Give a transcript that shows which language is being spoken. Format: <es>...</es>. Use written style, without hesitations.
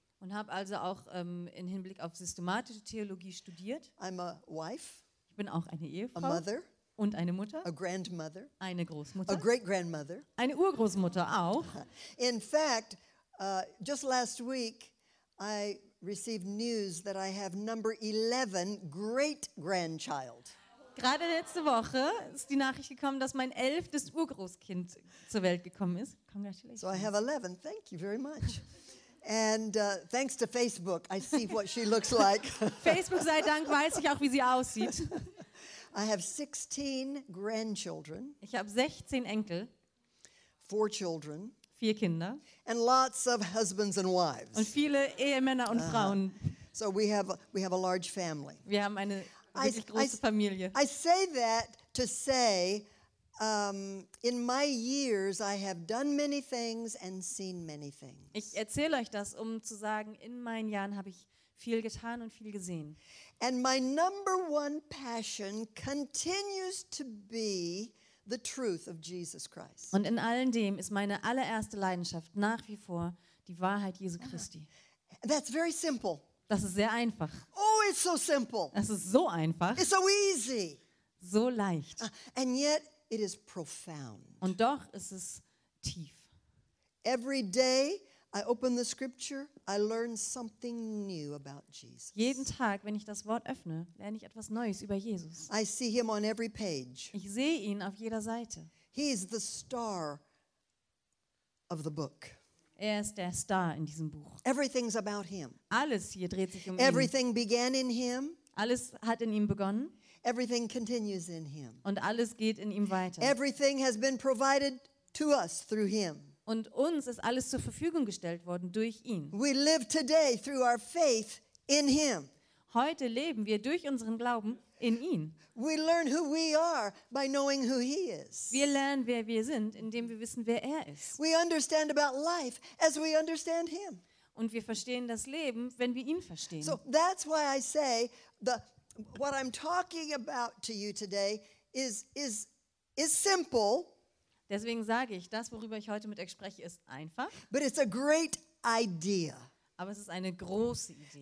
<de>Und habe also auch in Hinblick auf systematische Theologie studiert.</de> <en>I'm a wife.</en> <de>Ich bin auch eine Ehefrau.</de> <en>A mother.</en> <de>Und eine Mutter.</de> <en>A grandmother.</en> <de>Eine Großmutter.</de> <en>A great grandmother.</en> <de>Eine Urgroßmutter auch.</de> <en>In fact, just last week I received news that I have number 11 great grandchild.</en> <de>Gerade letzte Woche ist die Nachricht gekommen, dass mein 11. Urgroßkind zur Welt gekommen ist.</de> <en>Congratulations. So I have 11. Thank you very much. And thanks to Facebook, I see what she looks like.</en> <de>Facebook sei Dank, weiß ich auch, wie sie aussieht.</de> <en>I have 16 grandchildren.</en> <de>Ich habe 16 Enkel.</de> <en>4 children.</en> <de>4 Kinder.</de> <en>And lots of husbands and wives.</en> <de>Und viele Ehemänner und Frauen.</de> <en>So we have a large family.</en> <de>Wir haben eine wirklich große Familie.</de> <en>I say that to say in my years I have done many things and seen many things.</en> <de>Ich erzähle euch das, um zu sagen, in meinen Jahren habe ich viel getan und viel gesehen.</de> <en>And my number one passion continues to be the truth of Jesus Christ.</en> <de>Und in all dem ist meine allererste Leidenschaft nach wie vor die Wahrheit Jesu Christi.</de> <en>That's very simple.</en> <de>Das ist sehr einfach.</de> <en>Oh, it's so simple.</en> <de>Das ist so einfach.</de> <en>It's so easy.</en> <de>So leicht.</de> <en>And yet it is profound.</en> <de>Und doch ist es tief.</de> <en>Every day I open the scripture, I learn something new about Jesus.</en> <de>Jeden Tag, wenn ich das Wort öffne, lerne ich etwas Neues über Jesus.</de> <en>I see him on every page.</en> <de>Ich sehe ihn auf jeder Seite.</de> <en>He is the star of the book.</en> <de>Er ist der Star in diesem Buch.</de> <en>Everything's about him.</en> <de>Alles hier dreht sich um ihn.</de> <en>Everything began in him.</en> <de>Alles hat in ihm begonnen.</de> <en>Everything continues in him.</en> <de>Und alles geht in ihm weiter.</de> <en>Everything has been provided to us through him.</en> <de>Und uns ist alles zur Verfügung gestellt worden durch ihn.</de> <en>We live today through our faith in him.</en> <de>Heute leben wir durch unseren Glauben in ihn.</de> <en>We learn who we are by knowing who he is.</en> <de>Wir lernen, wer wir sind, indem wir wissen, wer er ist.</de> <en>We understand about life as we understand him.</en> <de>Und wir verstehen das Leben, wenn wir ihn verstehen.</de> <en>So that's why I say what I'm talking about to you today is simple.</en> <de>Deswegen sage ich, das, worüber ich heute mit euch spreche, ist einfach.</de> <en>But it's a great idea.</en> <de>Aber es ist eine große Idee.</de>